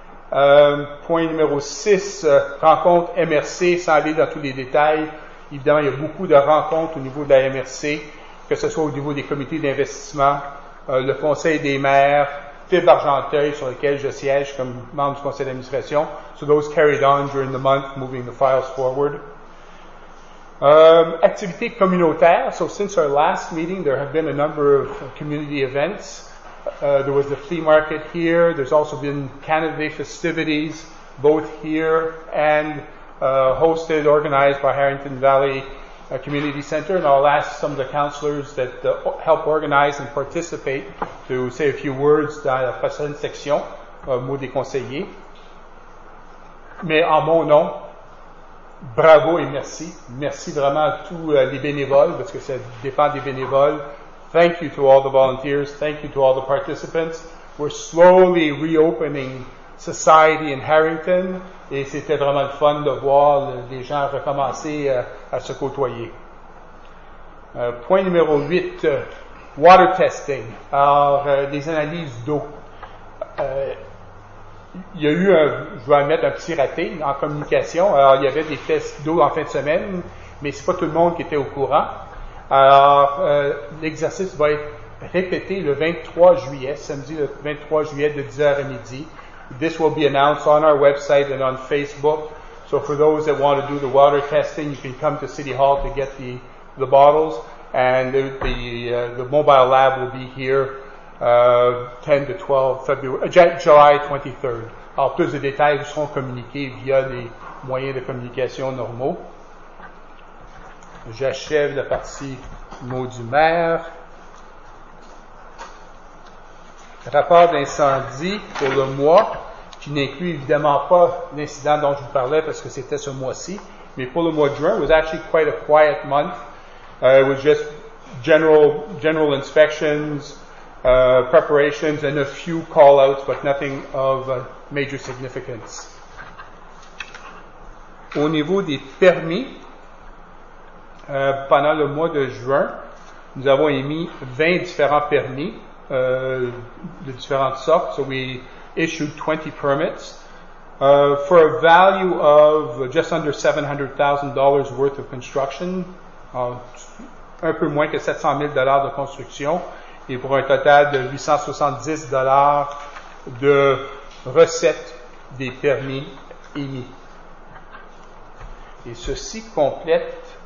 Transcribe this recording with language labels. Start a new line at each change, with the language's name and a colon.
French: Point numéro 6, rencontre MRC, sans aller dans tous les détails. Évidemment, il y a beaucoup de rencontres au niveau de la MRC, que ce soit au niveau des comités d'investissement, le conseil des maires, Fibre Argenteuil, sur lequel je siège comme membre du conseil d'administration.
English: So those carried on during the month, moving the files forward.
French: Activité communautaire.
English: So since our last meeting, there have been a number of community events. There was the flea market here. There's also been Canada Day festivities, both here and hosted, organized by Harrington Valley Community Center. And I'll ask some of the councillors that help organize and participate to say a few words
French: dans la prochaine section, mot des conseillers. Mais en mon nom, bravo et merci. Merci vraiment à tous les bénévoles, parce que ça dépend des bénévoles.
English: Thank you to all the volunteers. Thank you to all the participants. We're slowly reopening society in Harrington.
French: Et c'était vraiment le fun de voir les gens recommencer à se côtoyer. Point numéro 8,
English: water testing.
French: Alors, des analyses d'eau. Il y a eu, je vais admettre, un petit raté en communication. Alors, il y avait des tests d'eau en fin de semaine, mais c'est pas tout le monde qui était au courant. Alors, l'exercice va être répété le 23 juillet, samedi le 23 juillet de 10h à midi.
English: This will be announced on our website and on Facebook. So for those that want to do the water testing, you can come to City Hall to get the bottles. And the mobile lab will be here 10 to 12 July 23rd.
French: Alors, plus de détails vous seront communiqués via les moyens de communication normaux. J'achève la partie mot du maire. Rapport d'incendie pour le mois, qui n'inclut évidemment pas l'incident dont je vous parlais parce que c'était ce mois-ci, mais pour le mois de juin,
English: it was actually quite a quiet month. It was just general inspections, preparations, and a few call-outs, but nothing of major significance.
French: Au niveau des permis, pendant le mois de juin, nous avons émis 20 différents permis de différentes sortes.
English: So we issued 20 permits for a value of just under $700,000 worth of construction,
French: un peu moins que $700,000 de construction, et pour un total de $870 de recettes des permis émis. Et ceci complète